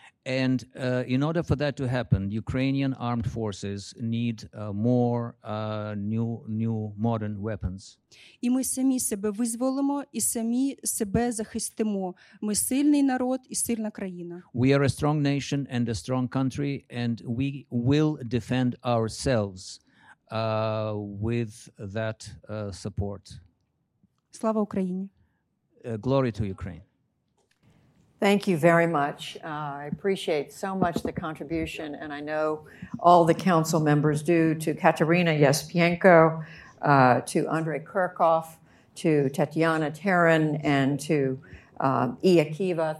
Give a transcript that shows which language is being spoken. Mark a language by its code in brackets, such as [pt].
[en] And in order for that to happen, Ukrainian armed forces need more new modern weapons. [uk] І ми самі себе визволимо і самі себе захистимо. Ми сильний народ і сильна країна. [en] We are a strong nation and a strong country, and we will defend ourselves with that support. [uk] Слава Україні! [en] Glory to Ukraine! Thank you very much. I appreciate so much the contribution, and I know all the council members do, to Katerina Yaspienko, to Andrei Kirchhoff, to Tatiana Terran, and to Iya Kiva.